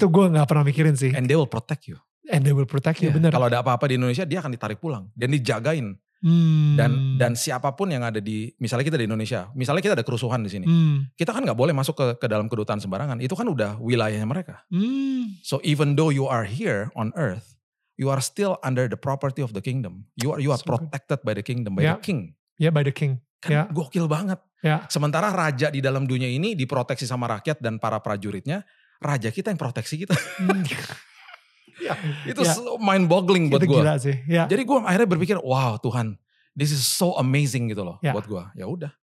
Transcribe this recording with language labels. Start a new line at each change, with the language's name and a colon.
Indonesian: Itu gue nggak pernah mikirin sih.
English: And they will protect you. And they will protect you,
Indonesian: benar. Kalau ada apa-apa di Indonesia, dia akan ditarik pulang dan dijagain. Dan siapapun yang ada di, misalnya kita di Indonesia, misalnya kita ada kerusuhan di sini, kita kan nggak boleh masuk ke dalam kedutaan sembarangan. Itu kan udah wilayahnya mereka.
English: So even though you are here on Earth, you are still under the property of the kingdom. You are protected by the kingdom, by the king. Yeah, by the king.
Indonesian: Kan gokil banget.
English: Yeah.
Indonesian: Sementara raja di dalam dunia ini diproteksi sama rakyat dan para prajuritnya, raja kita yang proteksi kita. Itu
English: mind boggling
Indonesian: buat gue. Itu gila sih.
English: Yeah.
Indonesian: Jadi gue akhirnya berpikir, wow Tuhan,
English: this is so amazing
Indonesian: gitu loh buat gue. Ya udah.